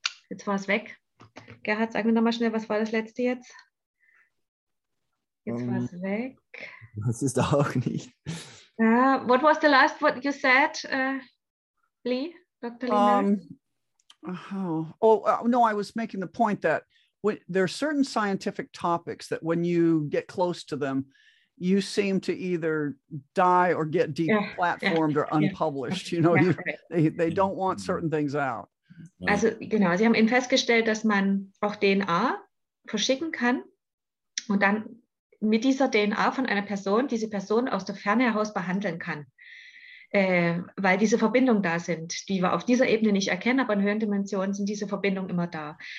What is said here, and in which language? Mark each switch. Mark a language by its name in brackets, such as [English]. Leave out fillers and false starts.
[German] jetzt war es weg. Gerhard, sag mir nochmal schnell, was war das Letzte jetzt? Jetzt war es weg. Das ist auch nicht... [English] What was the last what you said, Lee, Dr. Lee? I was making the point that there are certain scientific topics that when you get close to them, you seem to either die or get deplatformed or unpublished. You know, they don't want certain things out. [German] Also, genau, sie haben eben festgestellt, dass man auch DNA verschicken kann und dann mit dieser DNA von einer Person, diese Person aus der Ferne heraus behandeln kann, weil diese Verbindungen da sind, die wir auf dieser Ebene nicht erkennen, aber in höheren Dimensionen sind diese Verbindungen immer da.